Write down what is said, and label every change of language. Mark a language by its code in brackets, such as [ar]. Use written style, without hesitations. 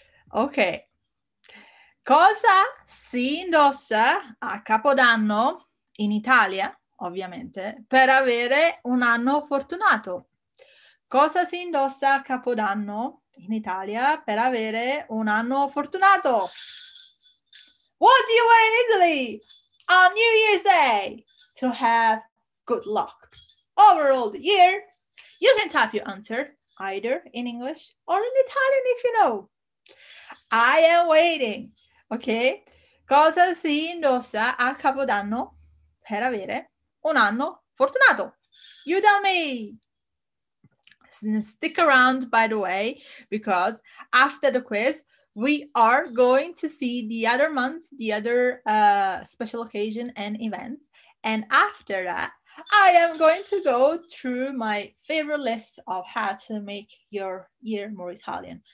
[it] Okay, cosa si indossa a Capodanno in Italia, ovviamente, per avere un anno fortunato? Cosa si indossa a Capodanno in Italia per avere un anno fortunato? [en] What do you wear in Italy on New Year's Day to have good luck overall the year? You can type your answer either in English or in Italian if you know. I am waiting. Okay. [it] Cosa si indossa a Capodanno per avere un anno fortunato? [en] You tell me. Stick around, by the way, because after the quiz, we are going to see the other months, the other special occasion and events. And after that, I am going to go through my favorite list of how to make your year more Italian.